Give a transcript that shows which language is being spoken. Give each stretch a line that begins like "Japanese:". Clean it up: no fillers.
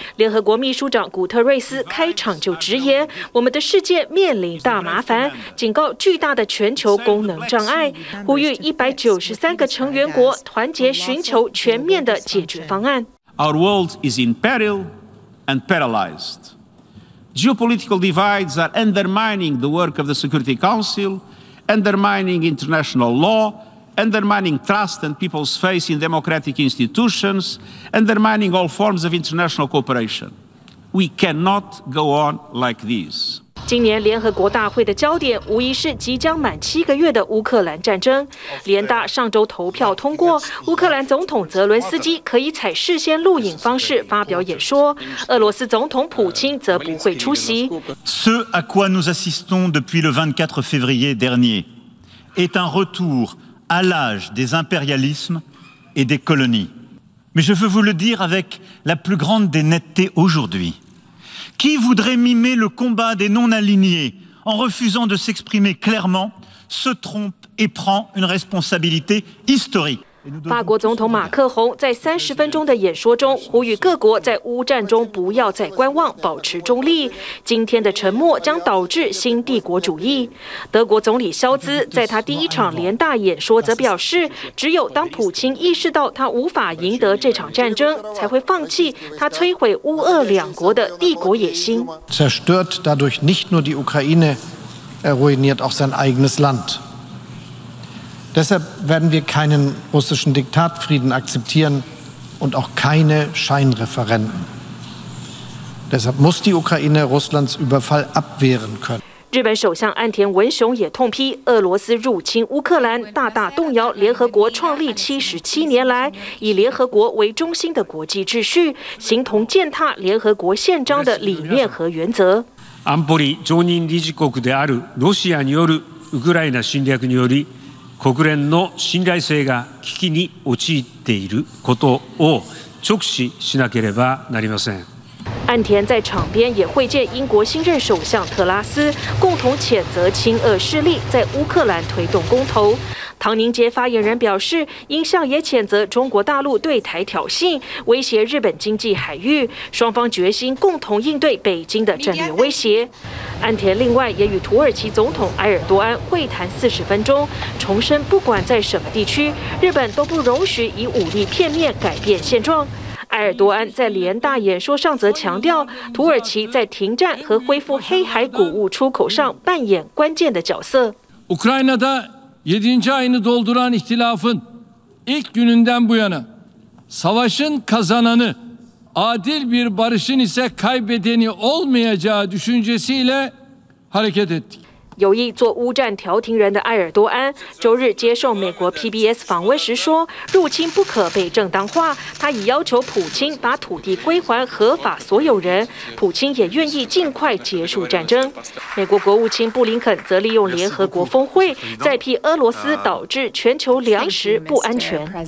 Chinese: 联合国秘书长古特瑞斯开场就直言，我们的世界面临大麻烦，警告巨大的全球功能障碍，呼吁193个成员国团结寻求全面的解决方案。
English: Our world is in peril and paralyzed. Geopolitical divides are undermining the work of the Security Council. Undermining international law, undermining trust and people's faith in democratic institutions, undermining all forms of international cooperation. We cannot go on like this.
Chinese: 今年联合国大会的焦点无疑是即将满七个月的乌克兰战争。联大上周投票通过，乌克兰总统泽伦斯基可以采事先录影方式发表演说，俄罗斯总统普京则不会出席。
French: Ce à quoi nous assistons depuis le 24 février dernier est un retour à l'âge des impérialismes et des colonies. Mais je veux vous le dire avec la plus grande des nettetés aujourd'hui. Qui voudrait mimer le combat des non-alignés en refusant de s'exprimer clairement se trompe et prend une responsabilité historique.
Chinese: 法国总统马克宏在三十分钟的演说中呼吁各国在乌战中不要再观望，保持中立。今天的沉默将导致新帝国主义。德国总理肖兹在他第一场联大演说则表示，只有当普京意识到他无法赢得这场战争，才会放弃他摧毁乌俄两国的帝国野心。
German: Zerstört dadurch nicht nur die Ukraine, er ruiniert auch sein eigenes Land. Deshalb werden wir keinen russischen Diktatfrieden akzeptieren und auch keine Scheinreferenden. Deshalb muss die Ukraine Russlands Überfall abwehren können.
Chinese: 日本首相岸田文雄也痛批俄罗斯入侵乌克兰，大大动摇联合国创立77年来以联合国为中心的国际秩序，形同践踏联合国宪章的理念和原则。
Japanese: 安保理常任理事国であるロシアによるウクライナ侵略により国連の信頼性が危機に陥っていることを直視しなければなりません。
Chinese: 岸田在场边也会见英国新任首相特拉斯，共同谴责亲俄势力在乌克兰推动公投。唐宁杰发言人表示，英相也谴责中国大陆对台挑衅，威胁日本经济海域，双方决心共同应对北京的战略威胁。岸田另外也与土耳其总统埃尔多安会谈40分钟，重申不管在什么地区，日本都不容许以武力片面改变现状。埃尔多安在联大演说上则强调，土耳其在停战和恢复黑海谷物出口上扮演关键的角色。
Turkish: Ukrayna'da 7. ayını dolduran ihtilafın ilk gününden bu yana savaşın kazananı, adil bir barışın ise kaybedeni olmayacağı düşüncesiyle hareket ettik.
Chinese: 有意做乌战调停人的埃尔多安周日接受美国 PBS 访问时说，入侵不可被正当化，他已要求普京把土地归还合法所有人，普京也愿意尽快结束战争。美国国务卿布林肯则利用联合国峰会再批俄罗斯导致全球粮食不安全。